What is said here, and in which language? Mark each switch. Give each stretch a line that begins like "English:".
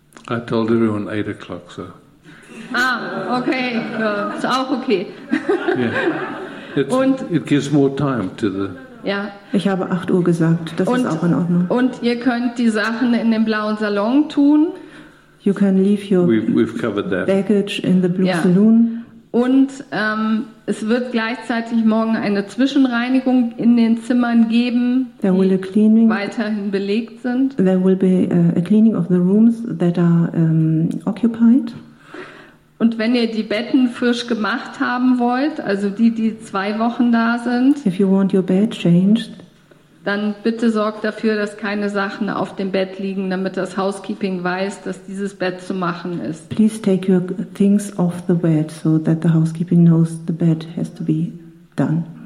English: I told everyone 8 o'clock, so.
German: Ah, okay. Ist auch okay.
English: Yeah. It gives more time to the...
German: Ja. Ich habe 8 Uhr gesagt, das ist auch in Ordnung. Und ihr könnt die Sachen in den blauen Salon tun.
English: You can leave your baggage in the blue saloon.
German: Und es wird gleichzeitig morgen eine Zwischenreinigung in den Zimmern geben, weiterhin belegt sind.
English: There will be a cleaning of the rooms that are occupied.
German: Und wenn ihr die Betten frisch gemacht haben wollt, also die 2 Wochen da sind,
English: if you want your bed changed,
German: dann bitte sorgt dafür, dass keine Sachen auf dem Bett liegen, damit das Housekeeping weiß, dass dieses Bett zu machen ist.
English: Please take your things off the bed, so that the housekeeping knows the bed has to be done.